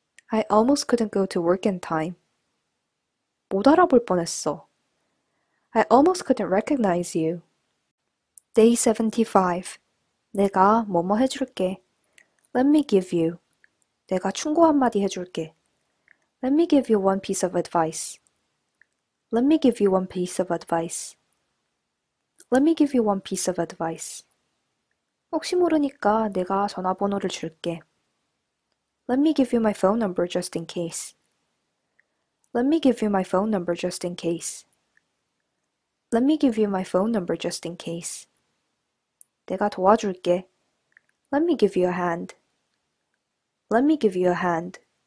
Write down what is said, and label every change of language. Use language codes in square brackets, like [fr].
[en] I almost couldn't go to work in time. [ko] 못 알아볼 뻔했어. [en] I almost couldn't recognize you. Day 75. [ko] 내가 뭐뭐 해줄게. [en] Let me give you. [ko] 내가 충고 한마디 해줄게. [en] Let me give you one piece of advice. Let me give you one piece of advice. Let me give you one piece of advice. [ko] 혹시 모르니까 내가 전화번호를 줄게. [en] Let me give you my phone number just in case. Let me give you my phone number just in case. Let me give you my phone number just in case. [ko] 내가 도와줄게. [en] Let me give you a hand. Let me give you a hand.